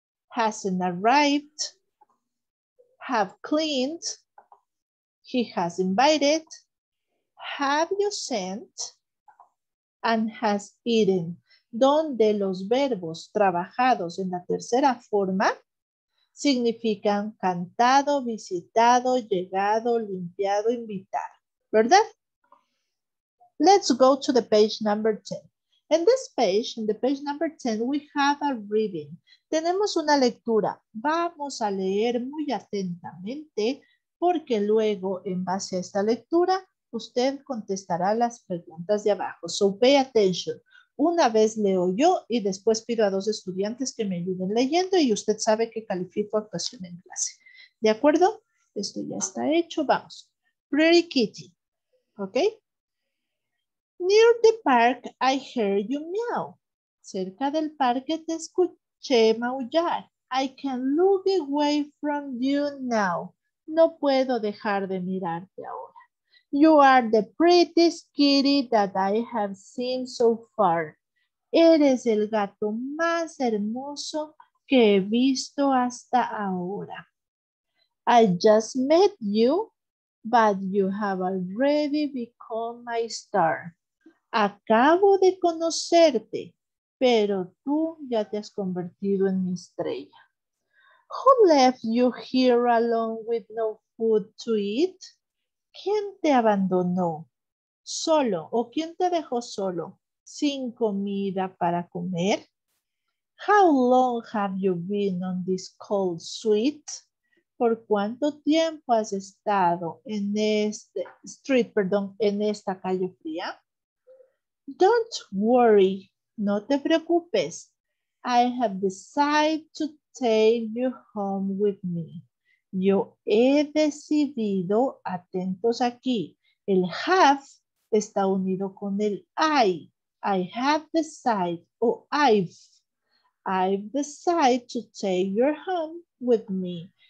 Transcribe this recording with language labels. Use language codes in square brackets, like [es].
[en] hasn't arrived, have cleaned, he has invited, have you sent, and has eaten, [es] donde los verbos trabajados en la tercera forma significan cantado, visitado, llegado, limpiado, invitar, ¿verdad? [en] Let's go to the page number 10. In this page, in the page number 10, we have a reading. [es] Tenemos una lectura. Vamos a leer muy atentamente porque luego, en base a esta lectura, usted contestará las preguntas de abajo. [en] So pay attention. [es] Una vez leo yo y después pido a dos estudiantes que me ayuden leyendo y usted sabe que califico actuación en clase. ¿De acuerdo? Esto ya está hecho. Vamos. [en] Pretty Kitty. [es] ¿Ok? [en] Near the park, I heard you meow. [es] Cerca del parque te escuché maullar. [en] I can look away from you now. [es] No puedo dejar de mirarte ahora. [en] You are the prettiest kitty that I have seen so far. [es] Eres el gato más hermoso que he visto hasta ahora. [en] I just met you, but you have already become my star. [es] Acabo de conocerte, pero tú ya te has convertido en mi estrella. [en] Who left you here alone with no food to eat? [es] ¿Quién te abandonó solo o quién te dejó solo sin comida para comer? [en] How long have you been on this cold street? [es] ¿Por cuánto tiempo has estado en este street, perdón, en esta calle fría? [en] Don't worry, [es] no te preocupes. [en] I have decided to take you home with me. [es] Yo he decidido, atentos aquí, El have está unido con el I. [en] I have decided, o I've decided to take your home with me.